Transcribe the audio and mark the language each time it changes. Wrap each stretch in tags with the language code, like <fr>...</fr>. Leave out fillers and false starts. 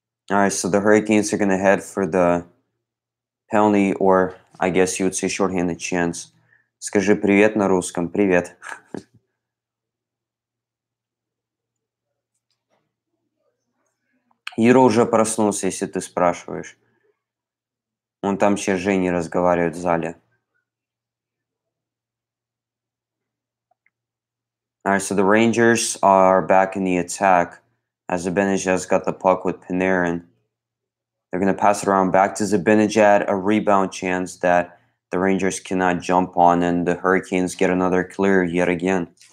<en>All right, so the Hurricanes are going to head for the penalty, or I guess you would say shorthanded chance.</en> <ru>Скажи привет на русском. Привет. Юра уже проснулся, если ты спрашиваешь. Он там сейчас с Женей разговаривает в зале.</ru> <en>All right, so the Rangers are back in the attack. As Zibanejad's got the puck with Panarin. They're going to pass it around back to Zibanejad. A rebound chance that the Rangers cannot jump on. And the Hurricanes get another clear yet again.</en>